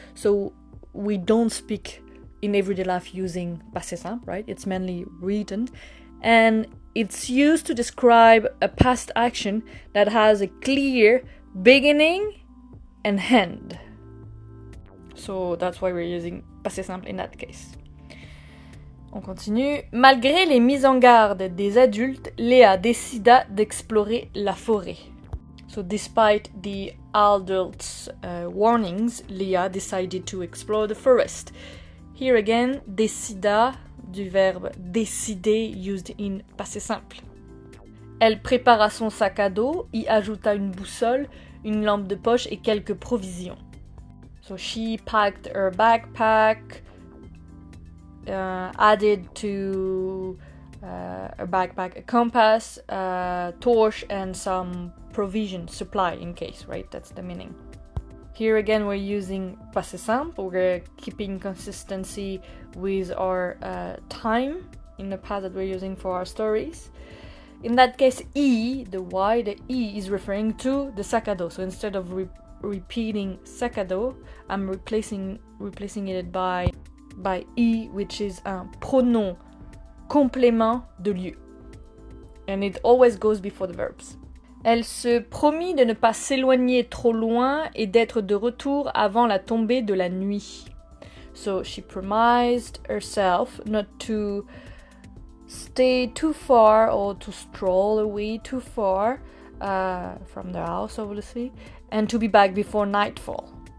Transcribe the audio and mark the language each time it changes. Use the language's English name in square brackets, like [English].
[English] So we don't speak in everyday life using passé simple, right? It's mainly written. And it's used to describe a past action that has a clear beginning and end. So that's why we're using passé simple in that case. [French] On continue. Malgré les mises en garde des adultes, Léa décida d'explorer la forêt. [English] So despite the adults' warnings, Léa decided to explore the forest. Here again, [French] décida, du verbe décider, [English] used in passé simple. [French] Elle prépara son sac à dos, y ajouta une boussole, une lampe de poche et quelques provisions. [English] So she packed her backpack, added to her backpack a compass, a torch and some provision, supply in case, right? That's the meaning. Here again we're using passé simple, we're keeping consistency with our time in the past that we're using for our stories. In that case, the E is referring to the [French] sac à dos. [English] So instead of repeating sac à dos, I'm replacing it by E, which is [French] un pronom complément de lieu. [English] And it always goes before the verbs. [French] Elle se promit de ne pas s'éloigner trop loin et d'être de retour avant la tombée de la nuit. [English] So she promised herself not to stay too far or to stroll away too far from the house, obviously, and to be back before nightfall.